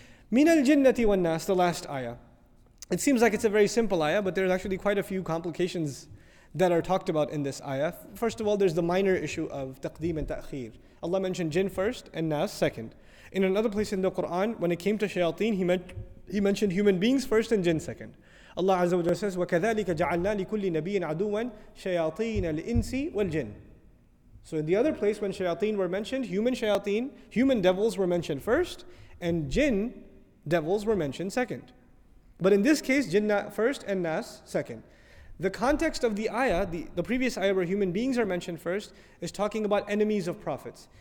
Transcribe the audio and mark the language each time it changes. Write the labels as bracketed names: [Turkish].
[Arabic] Min al-jinnati wa nas, [English] the last ayah. It seems like it's a very simple ayah, but there's actually quite a few complications that are talked about in this ayah. First of all, there's the minor issue of taqdeem and ta'khir. Allah mentioned jinn first and nas second. In another place in the Quran, when it came to shayateen, he mentioned human beings first and jinn second. Allah Azza wa Jalla says, [Arabic] وَكَذَلِكَ جَعَلْنَا لِكُلِّ نَبِيٍ عَدُوًا شَيَاطِينَ الْإِنسِ وَالْجِنِ. [English] So in the other place when shayateen were mentioned, human shayateen, human devils were mentioned first, and jinn devils were mentioned second. But in this case, jinn first and nas second. The context of the ayah, the previous ayah where human beings are mentioned first, is talking about enemies of prophets.